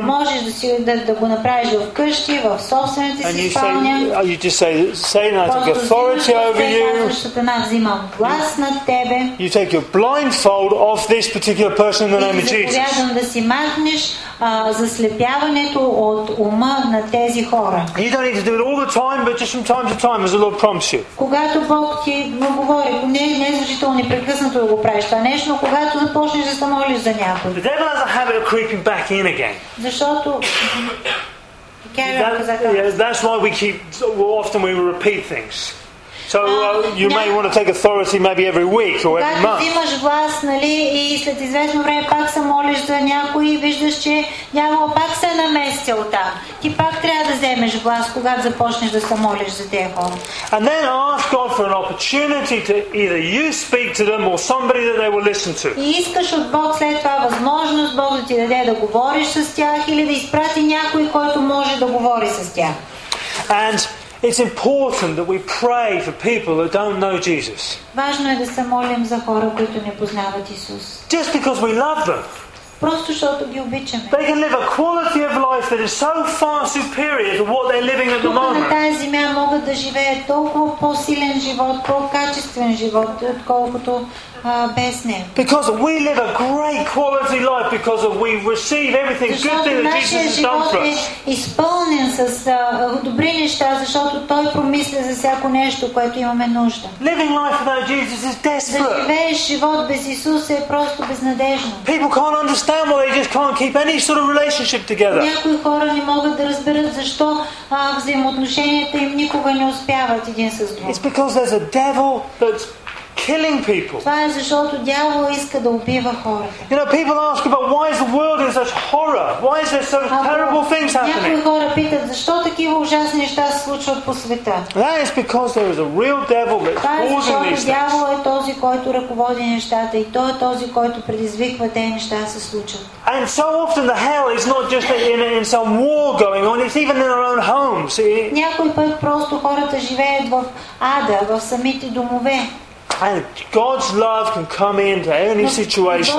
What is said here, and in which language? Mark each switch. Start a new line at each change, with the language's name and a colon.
Bulgarian: Можеш да си да го направиш в къщи, в собствените си спалня.
English: And you just say that I take authority over you.
Bulgarian: Сатана взима власт над тебе.
English: You take your blindfold off this particular person in the name of Jesus.
Bulgarian: И заповядам да си махнеш заслепяването от ума на тези хора.
English: You don't need to do it all the time, but just from time to time, as the Lord prompts you.
Bulgarian: Когато Бог ти говори, не задължително непрекъснато да го правиш това нещо, но когато започнеш да се молиш за някой.
English: The devil has a habit of creeping back in again.
Bulgarian: Защото
English: That's why we keep often we repeat things. So you may want to take authority maybe every week or every month.
Bulgarian: Имаш власт, нали, и след известно време пак се молиш за някой и виждаш, че дявол пак се наместил там. Ти пак трябва да вземеш власт, когато започнеш да се молиш за тези хора.
English: And then ask God for an opportunity to either you speak to them or somebody that they will listen to.
Bulgarian: И искаш от Бог след това възможност Бог да ти даде да говориш с тях или да изпрати някой, който може да говори с тях.
English: And it's important that we pray for people that don't know Jesus.
Bulgarian: Важно е да се молим за хора, които не познават Исус.
English: Just because we love them.
Bulgarian: Просто защото ги обичаме.
English: They can live a quality of life that is so far superior to what they're living at the moment.
Bulgarian: На тази земя могат да живеят толкова по-силен живот, по-качествен живот, отколкото
English: Because we live a great quality life because of we receive everything good thing that Jesus has done for us.
Bulgarian: Изпълнен с добри неща, защото Той промисля за всяко нещо, което имаме нужда.
English: Living life without Jesus is desperate.
Bulgarian: Да живееш живот без Исус е просто безнадежно.
English: People can't understand why they just can't keep any sort of relationship together.
Bulgarian: Някои хора не могат да разберат защо взаимоотношенията им никога не успяват един с друг.
English: It's because there's a devil that's killing people.
Bulgarian: Това е защото дявол иска да убива хората.
English: You know, people ask about why is the world in such horror? Why is there so terrible things happening?
Bulgarian: Някои хора питат защо такива ужасни неща се случват по света.
English: That is because there is a real devil that's causing these things.
Bulgarian: Това е защото дявол е този, който ръководи нещата и той е този, който предизвиква тези неща се случат.
English: And so often the hell is not just in some war going on, it's even in our own homes.
Bulgarian: Някой път просто хората живеят в ада, в самите домове.
English: And God's love can come into any situation.